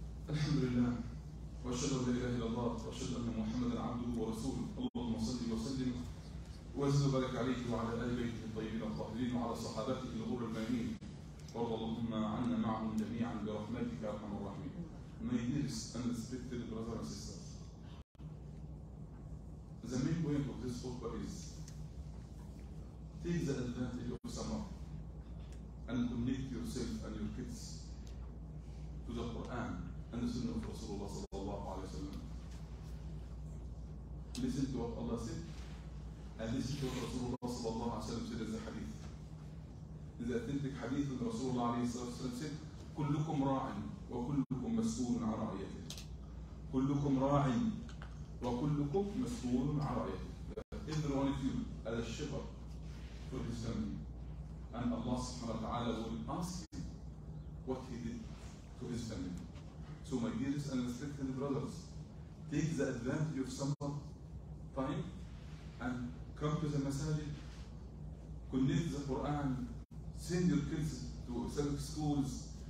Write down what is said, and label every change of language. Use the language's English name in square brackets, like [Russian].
[Arabic] الحمد لله وأشهد أن لا إله إلا الله وأشهد أن محمداً عبده ورسوله. اللهم صل وسلم وزد بارك عليه وعلى آل بيته الطيبين الطاهرين وعلى صحابته الغر المامين. رضى اللهم عنا معهم جميعا برحمتك يا ارحم الراحمين. [English] My dearest and respected brothers and sisters, the main point of this khutbah is take the advantage of summer and connect yourself and your kids to the Quran and the Sunnah of Rasulullah sallallahu alayhi wa sallam. Listen to what Allah said. And this is what Rasulullah صلى الله عليه وسلم said in the hadith. In the authentic hadith of Rasulullah [Arabic] عليه الصلاة والسلام [English] said, [Arabic] كلكم راع وكلكم مسؤول عن رعيته. كلكم راع وكلكم مسؤول عن رعيته. [English] Every one of you as a shepherd for his family. And Allah سبحانه وتعالى will ask him what he did to his family. So my dearest and respected brothers, take the advantage of summer time and come to the masjid, connect the Quran, send your kids to Islamic schools.